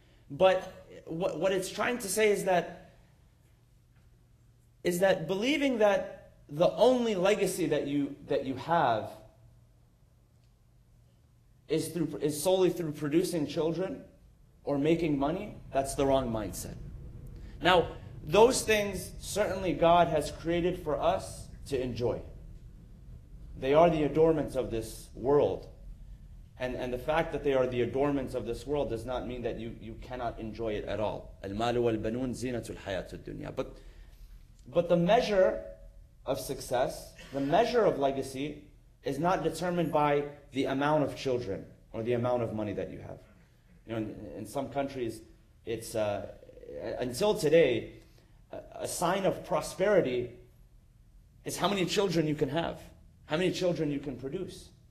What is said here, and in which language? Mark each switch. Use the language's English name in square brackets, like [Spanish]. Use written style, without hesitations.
[English] But what it's trying to say is that believing that the only legacy that you have is solely through producing children or making money, that's the wrong mindset. Now, those things certainly God has created for us to enjoy. They are the adornments of this world. And the fact that they are the adornments of this world does not mean that you cannot enjoy it at all. [Arabic] المال والبنون زينة الحياة الدنيا. [English] But the measure of success, the measure of legacy, is not determined by the amount of children or the amount of money that you have. You know, in some countries, it's until today, a sign of prosperity is how many children you can have, how many children you can produce.